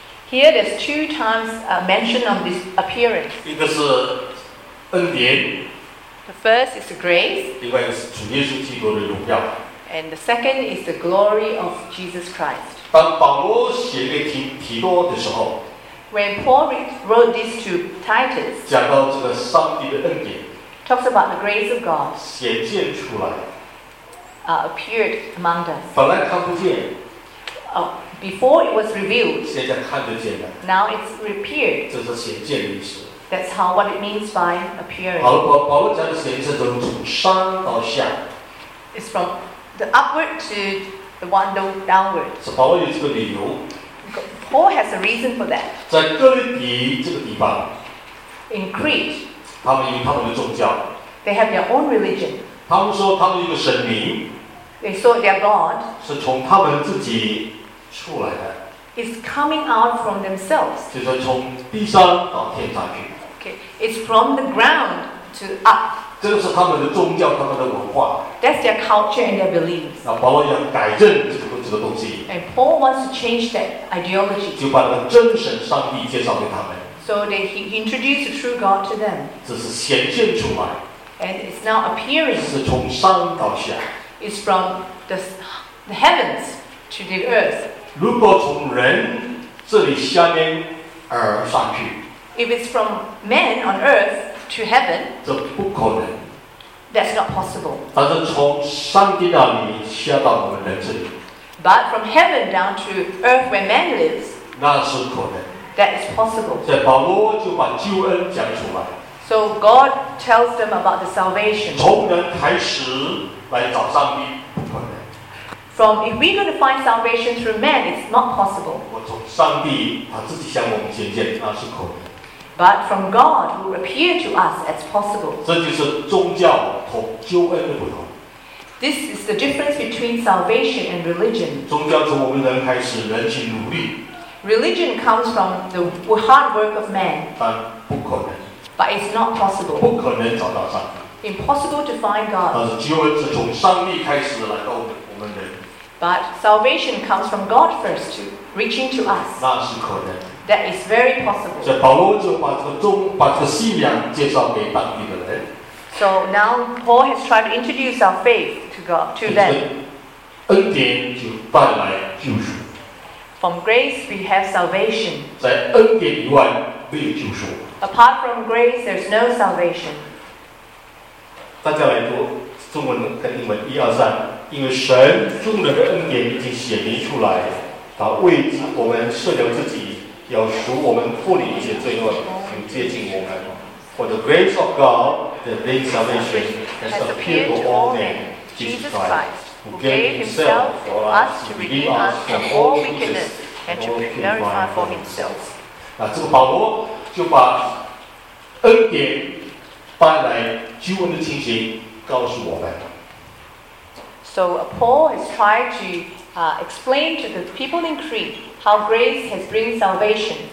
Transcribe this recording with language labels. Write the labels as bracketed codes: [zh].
[en] Here, there's two times mention of this appearance. [zh] 一个是恩典。 [en] The first is the grace, [zh] 另外一个是主耶稣基督的荣耀。 [en] And the second is the glory of Jesus Christ. [zh] 当保罗写给提多的时候 [en] ，When Paul wrote this to Titus, [zh] 讲到这个上帝的恩典 [en] ，talks about the grace of God, [zh] 显现出来 [en] appeared among us. [zh] 本来看不见 [en] before it was revealed. [zh] 现在看得见了。 [en] Now it's appeared. [zh] 这是显见的意思。 [en] That's how what it means by appearing. [zh] 保罗讲的显见是从上到下。 [en] It's from the upward to the one downward. [zh] 是保罗有这个理由。 [en] Paul has a reason for that. [zh] 在哥林底这个地方。 [en] In Crete. [zh] 他们有他们的宗教。 [en] They have their own religion. [zh] 他们说他们有一个神明。 [en] They saw their God. [zh] 是从他们自己出来的。 [en] It's coming out from themselves. [zh] 就是从地上到天上去。 [en] Okay, it's from the ground to up. [zh] 这个是他们的宗教，他们的文化。 [en] That's their culture and their beliefs. [zh] 那保罗要改正这个东西。 [en] And Paul wants to change that ideology. [zh] 就把那个真神上帝介绍给他们。 [en] So that he introduced the true God to them. [zh] 这是显现出来。 [en] And it's now appearing. [zh] 是从上到下。 [en] Is from the heavens to the earth. [zh] 如果从人这里下面而上去， [en] if it's from men on earth to heaven, [zh] 这不可能。 [en] That's not possible. [zh] 但是从上帝那里下到我们人这里， [en] but from heaven down to earth where man lives, [zh] 那是可能。 [en] That is possible. [zh] 所以保罗就把救恩讲出来。 [en] So God tells them about the salvation. [zh] 从人开始。来找上帝， [en] From if we're going to find salvation through man, it's not possible. [zh] 我从上帝他自己向我们显现，那是可能。 [en] But from God who appeared to us, it's possible. [zh] 这就是宗教和救恩的不同。 [en] This is the difference between salvation and religion. [zh] 宗教从我们人开始，人去努力。 [en] Religion comes from the hard work of man. [zh] 但不可能。 [en] But it's not possible. [zh] 不可能找到上帝。 [en] Impossible to find God. [zh] 但是救恩是从上帝开始来到我们人。 [en] But salvation comes from God first, to reaching to us. [zh] 那是可能。 [en] That is very possible. [zh] 所以保罗就把这个信仰介绍给当地的人。 [en] So now Paul has tried to introduce our faith to God to them. [zh] 恩典就带来救赎。 [en] From grace we have salvation. [zh] 在恩典以外没有救赎。 [en] Apart from grace, there's no salvation. [zh] 大家来读中文跟英文一二三，因为神众人的恩典已经显明出来，他为我们设了自己，要使我们脱离一切罪恶，并接近我们。 [en] For the grace of God that brings salvation has appeared to all men, Jesus Christ, who gave himself for us to redeem us from all wickedness and to purify for himself. [zh] 那这个保罗就把恩典。带来救恩的情形告诉我们。 [en] So Paul is trying to explain to the people in Crete how grace has brought salvation.